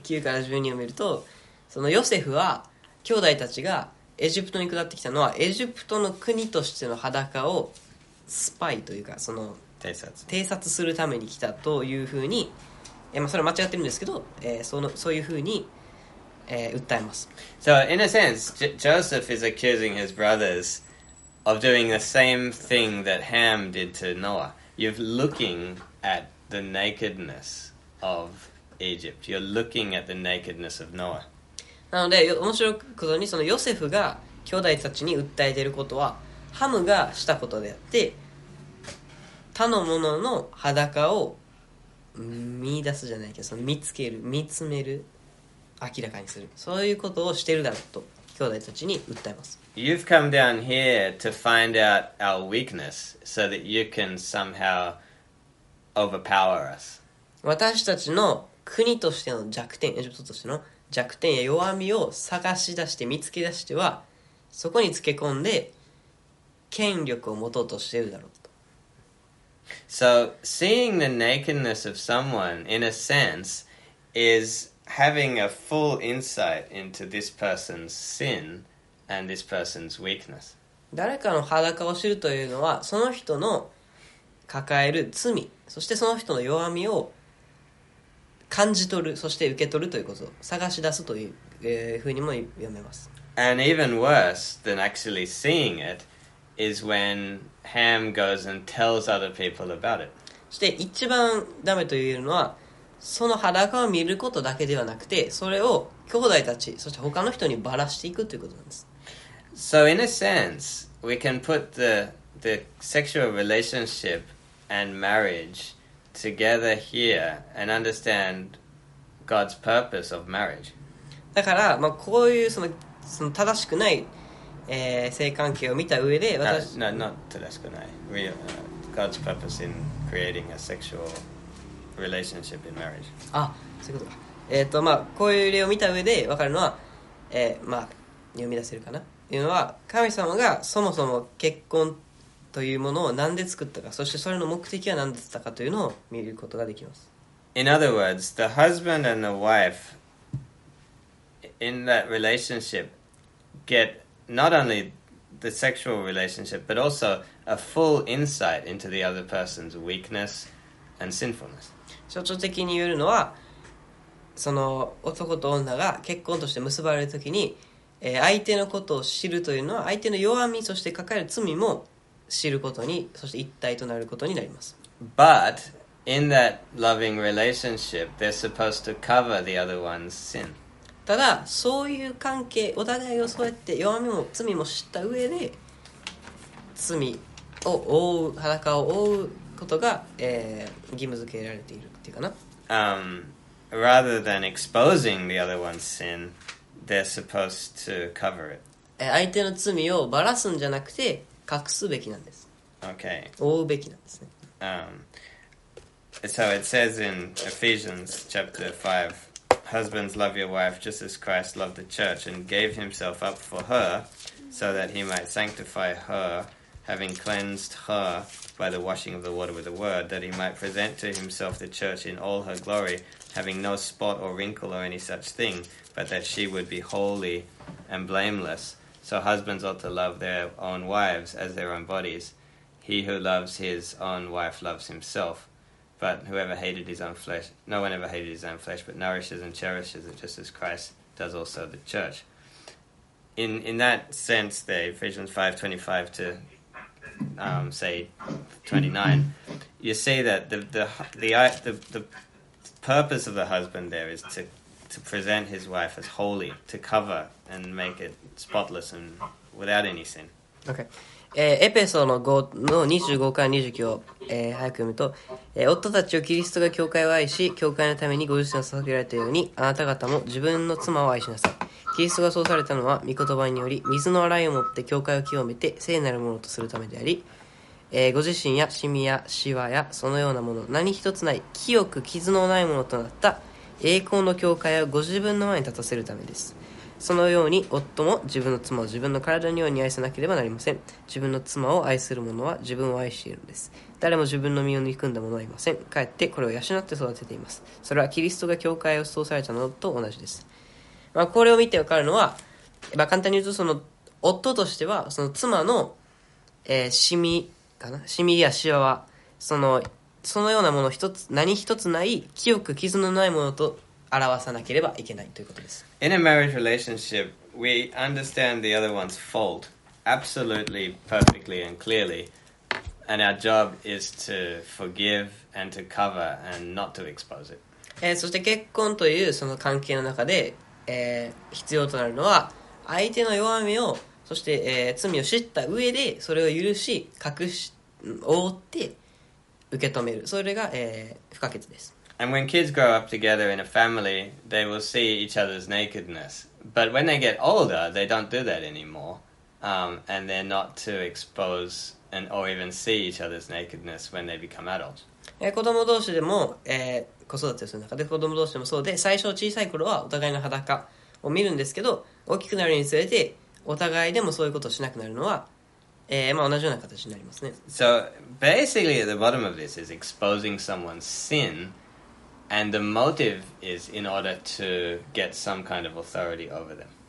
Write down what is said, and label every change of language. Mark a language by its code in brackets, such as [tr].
[ja] 9から12を見ると、そのヨセフは兄弟たちがエジプトに下ってきたのは、エジプトの国としての裸をスパイというか、その偵察するために来たというふうに、まあ、それは間違ってるんですけど、そういうふうに、訴えます。 [en] So, in a sense, Joseph is accusing his brothers of doing the same thing that Ham did to Noah. You're looking at the nakedness of Egypt. You're looking at the nakedness of Noah. [ja] なので、面白いことに、そのヨセフが兄弟たちに訴えていることは、ハムがしたことであって、他の者の裸を見出すじゃないけど、その見つける、見つめる、明らかにする。そういうことをしてるだろうと、兄弟たちに訴えます。 [en] You've come down here to find out our weakness so that you can somehow overpower us. [ja] 私たちの国としての弱点、エジプトとしての弱点や弱みを探し出して見つけ出しては、そこにつけ込んで権力を持とうとしているだろうと。 [en] So, seeing the nakedness of someone, in a sense, is having a full insight into this person's sin and this person's weakness. [ja] 誰かの裸を知るというのは、その人の抱える罪、そしてその人の弱みを感じ取る、そして受け取るということを探し出すという、ふうにも読めます。 [en] And even worse than actually seeing it is when Ham goes and tells other people about it. [ja] そして一番ダメと言えるのは、その裸を見ることだけではなくて、それを兄弟たち、そして他の人にばらしていくということなんです。 [en] So in a sense, we can put the the sexual relationship and marriage together here and understand God's purpose of marriage. [ja] だから、まあ、こういうその正しくない、性関係を見た上で私 [en] not [ja] 正しくない [en] Real, God's purpose in creating a sexual relationship in marriage. [ja] あ、そういうことか。まあ、こういう例を見た上で分かるのは、まあ、読み出せるかなというのは、神様がそもそも結婚というものを何で作ったか、そしてそれの目的は何だったかというのを見ることができます。 [en] In other words, the husband and the wife in that relationship get not only the sexual relationship, but also a full insight into the other person's weakness and sinfulness. [ja] 象徴的に言えるのは、その男と女が結婚として結ばれるときに、相手のことを知るというのは、相手の弱み、そして抱える罪も知ることに、そして一体となることになります。 [en] But in that loving relationship, they're supposed to cover the other one's sin. [ja] ただ、そういう関係、お互いをそうやって弱みも罪も知った上で、罪を覆う、裸を覆うことが、義務付けられているっていうかな。 [en] Rather than exposing the other one's sin, they're supposed to cover it. [ja] 相手の罪をバラすんじゃなくて、隠すべきなんです。 [en] Okay. [ja] 覆うべきなんですね。 [en] So it says in Ephesians chapter 5, Husbands, love your wife just as Christ loved the church and gave himself up for her so that he might sanctify her, having cleansed her by the washing of the water with the word, that he might present to himself the church in all her glory, having no spot or wrinkle or any such thing, but that she would be holy and blameless. So husbands ought to love their own wives as their own bodies. He who loves his own wife loves himself. But whoever hated his own flesh, no one ever hated his own flesh, but nourishes and cherishes it just as Christ does also the church. In that sense, the Ephesians 5:25 to say 29, you see that the purpose of the husband there is to present his wife as holy, to cover and make it spotless and without any sin. Okay. [ja] エペソの5の25から29を、早く読むと、夫たちをキリストが教会を愛し、教会のためにご自身を捧げられたように、あなた方も自分の妻を愛しなさい。キリストがそうされたのは、御言葉により、水の洗いをもって教会を清めて、聖なるものとするためであり、ご自身やシミやシワやそのようなもの、何一つない、清く傷のないものとなった栄光の教会をご自分の前に立たせるためです。そのように夫も自分の妻を自分の体のように愛さなければなりません。自分の妻を愛する者は自分を愛しているのです。誰も自分の身を憎んだ者はいません。かえってこれを養って育てています。それはキリストが教会を創されたのと同じです。まあ、これを見てわかるのは、まあ、簡単に言うとその夫としてはその妻の、シミかな、シミやシワはそのようなもの一つ何一つない清く傷のないものと表さなければいけないということです。 [en] In a marriage relationship, we understand the other one's fault absolutely, perfectly, and clearly, and our job is to forgive and to cover and not to expose it. [ja] そして結婚というその関係の中で、必要となるのは相手の弱みをそして、罪を知った上でそれを許し隠し覆って受け止める、それが、不可欠です。 [en] And when kids grow up together in a family, they will see each other's nakedness. But when they get older, they don't do that anymore. And they're not to expose and or even see each other's nakedness when they become adults. [ja] 子供同士でも、子育てする中で子供同士でもそうで、最初小さい頃はお互いの裸を見るんですけど、大きくなるにつれてお互いでもそういうことをしなくなるのは、まあ、同じような形になりますね。 [en] So basically at the bottom of this is exposing someone's sin. And the motive is in order to get some kind of authority over them.